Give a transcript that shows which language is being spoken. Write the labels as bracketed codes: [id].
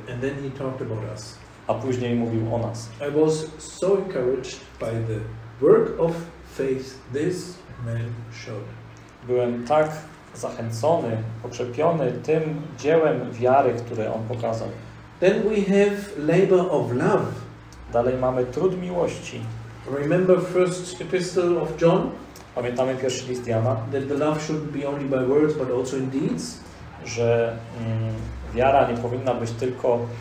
[en] And then he talked about us. [pl] A później mówił o nas. [en] I was so encouraged by the work of faith this man showed. [pl] Byłem tak zachęcony, pokrzepiony tym dziełem wiary, które on pokazał. [en] Then we have labor of love. [pl] Dalej mamy trud miłości. [en] Remember first epistle of John? [pl] Pamiętamy pierwszy list Jana? [en] That the love should be only by words, but also in deeds. [pl] Że wiara nie powinna być tylko